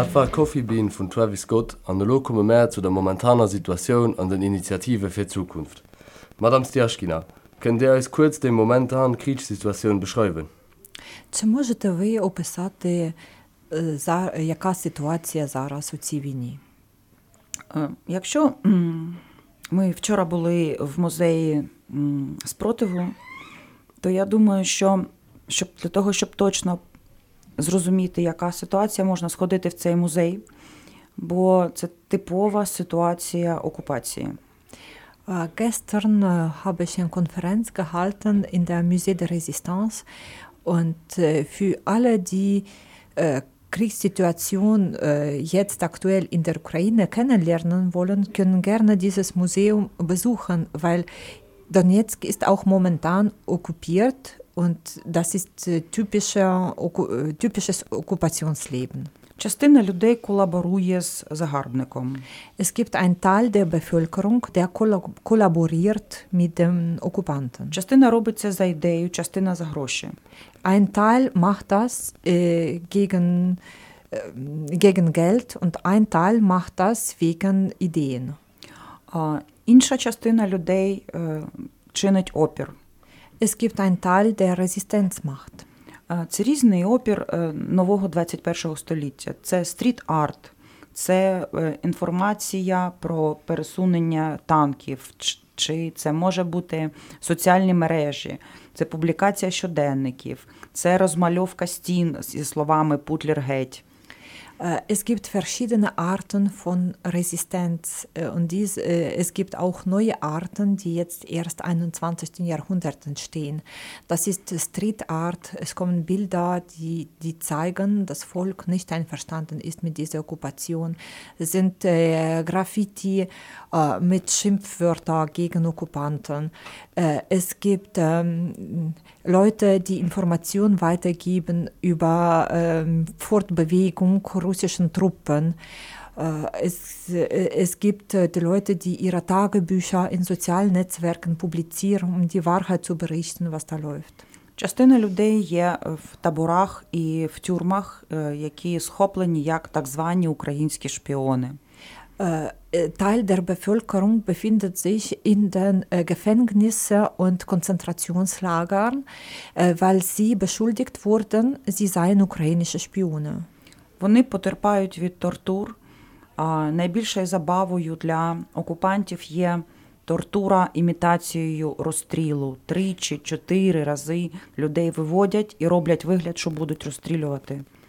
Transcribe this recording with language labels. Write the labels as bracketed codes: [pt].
[de] Coffee Bean von Travis Scott und nun kommen wir mehr zu der momentanen Situation und den Initiativen für die Zukunft. Madame Stjaschkina, Könnt ihr uns kurz den momentanen Kriegssituation beschreiben? [uk] Чи можете ви описати, яка ситуація зараз у цій війні? Якщо ми вчора були в музеї спротиву, то я думаю, що щоб для того, щоб точно зрозуміти, яка ситуація, можна сходити в цей музей, бо це типова ситуація окупації. [de] Gestern habe ich eine Konferenz gehalten in der Musée der Résistance. Und für alle, die Kriegssituation jetzt aktuell in der Ukraine kennenlernen wollen, können gerne dieses Museum besuchen, weil Donetsk ist auch momentan okkupiert und das ist typisches Okkupationsleben. [uk] Частина людей колаборує з загарбником. [de] Es gibt ein Teil der Bevölkerung, der kollaboriert mit dem Okkupanten. [uk] Частина робить це за ідею, частина за гроші. [de] Ein Teil macht das gegen Geld und ein Teil macht das wegen Ideen. [uk] Інша частина людей чинить опір. [de] Es gibt ein Teil, der Resistenz macht. [uk] Це різний опір нового 21-го століття. Це стріт-арт, це інформація про пересунення танків, чи це може бути соціальні мережі, це публікація щоденників, це розмальовка стін зі словами «Путлер геть». [de] Es gibt verschiedene Arten von Resistenz und es gibt auch neue Arten, die jetzt erst 21. Jahrhundert entstehen. Das ist Street Art. Es kommen Bilder, die zeigen, dass Volk nicht einverstanden ist mit dieser Okkupation. Es sind Graffiti mit Schimpfwörtern gegen Okkupanten. Es gibt Leute, die Informationen weitergeben über Fortbewegung russischen Truppen. Es gibt die Leute, die ihre Tagebücher in sozialen Netzwerken publizieren, um die Wahrheit zu berichten, was da läuft. [uk] Частина людей є в таборах і в тюрмах, які схоплені як так звані українські шпіони. [de] Teil der Bevölkerung befindet sich in den Gefängnissen und Konzentrationslagern, weil sie beschuldigt wurden, sie seien ukrainische Spione. [uk] Вони потерпають від тортур. Найбільшою забавою для окупантів є тортура імітацією розстрілу. 3-4 рази людей виводять і роблять вигляд, що будуть розстрілювати.